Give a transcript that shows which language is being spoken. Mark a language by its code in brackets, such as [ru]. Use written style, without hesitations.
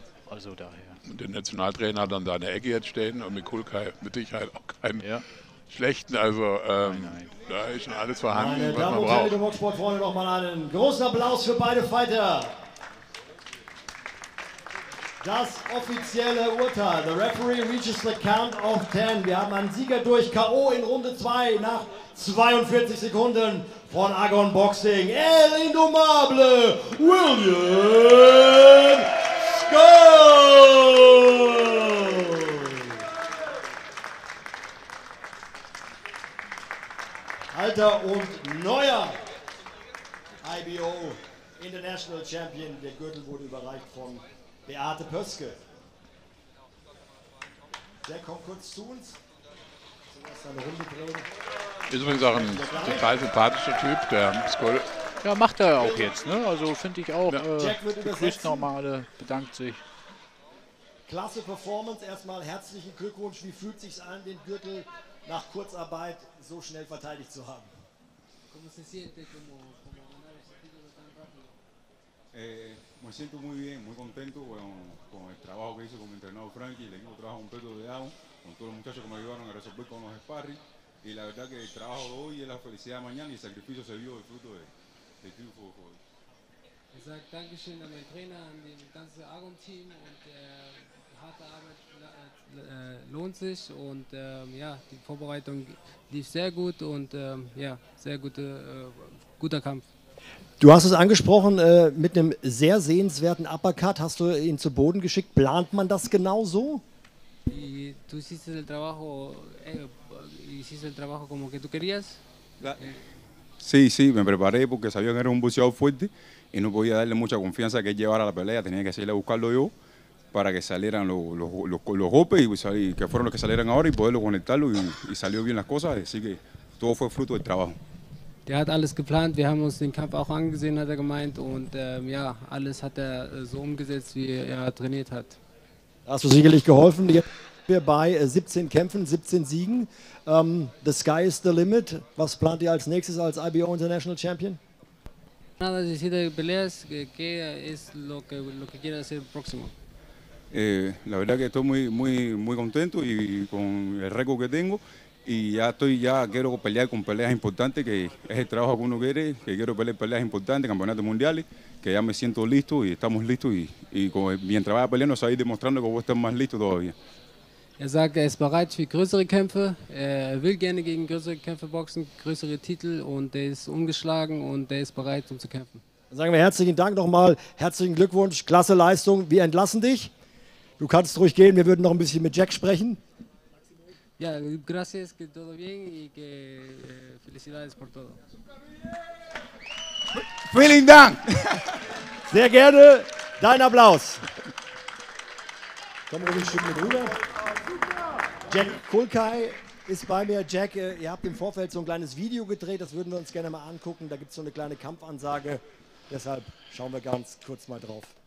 [de] Also daher. Und der Nationaltrainer hat dann da an der Ecke jetzt stehen und mit Kulkai mit Sicherheit auch keinen schlechten. Also nein. Da ist schon alles vorhanden. Meine Damen und Herren, liebe Boxsportfreunde, nochmal einen großen Applaus für beide Fighter. Das offizielle Urteil. [en] The referee reaches the count of 10. [de] Wir haben einen Sieger durch K.O. in Runde 2 nach 42 Sekunden von Agon Boxing. El Indomable William Skull! Alter und neuer IBO International Champion. Der Gürtel wurde überreicht von Beate Pöske. Der kommt kurz zu uns. Ist übrigens auch ein total sympathischer Typ, der Skull. Ja, macht er auch jetzt, ne? Also finde ich auch. Grüßt normale, bedankt sich. Klasse Performance, erstmal herzlichen Glückwunsch. Wie fühlt sich's an, den Gürtel nach Kurzarbeit so schnell verteidigt zu haben? [es] Como se siente como ganar ese título tan rápido? Me siento muy bien, muy contento con el trabajo que hice con mi entrenador Frankie. Le hemos trabajado un peso de agua. Con todos los muchachos que me ayudaron a resolver con los sparring. Y la verdad que el trabajo de hoy es la felicidad de mañana y el sacrificio se vio el fruto del triunfo de hoy. [de] Ich sage Dankeschön an meinen Trainer, an das ganze Argon-Team. Und harte Arbeit lohnt sich. Und ja, die Vorbereitung lief sehr gut. Und ja, sehr gute, guter Kampf. Du hast es angesprochen, mit einem sehr sehenswerten Uppercut hast du ihn zu Boden geschickt. Plant man das genau so? Du siehst [es] el trabajo, hiciste el trabajo como que tú querías. Sí, me preparé porque sabía que era un boxeador fuerte y no podía darle mucha confianza que él llevara la pelea, tenía que salir a buscarlo yo para que salieran los golpes y que fueron los que salieran ahora y poderlo conectarlo y salió bien las cosas, así que todo fue fruto del trabajo. [de] Der hat alles geplant, wir haben uns den Kampf auch angesehen, hat er gemeint, und ja, alles hat er so umgesetzt, wie er trainiert hat. Hast du sicherlich geholfen, jetzt sind wir bei 17 Kämpfen, 17 Siegen. [en] The sky is the limit, [de] was plant ihr als nächstes als IBO International Champion? [es] Nada, si te peleas, que es lo que quieres hacer próximo. La verdad que estoy muy contento y con el récord que tengo. Y ya estoy, ya quiero pelear con peleas importantes, que es el trabajo que uno quiere, que quiero pelear peleas importantes, campeonatos mundiales, que ya me siento listo y estamos listos y con, mientras vaya peleando, seguir demostrando que voy a estar más listo todavía. [de] Er sagt, er ist bereit für größere Kämpfe, er will gerne gegen größere Kämpfe boxen, größere Titel, und er ist ungeschlagen und er ist bereit, um zu kämpfen. Dann sagen wir herzlichen Dank nochmal, herzlichen Glückwunsch, klasse Leistung, wir entlassen dich. Du kannst ruhig gehen, wir würden noch ein bisschen mit Jack sprechen. [es] Ja, gracias, que todo bien y que felicidades por todo. [de] Vielen Dank. Sehr gerne, dein Applaus. Kommen wir ein Stück mit rüber. Jack Kulkai ist bei mir. Jack, ihr habt im Vorfeld so ein kleines Video gedreht, das würden wir uns gerne mal angucken. Da gibt es so eine kleine Kampfansage, deshalb schauen wir ganz kurz mal drauf.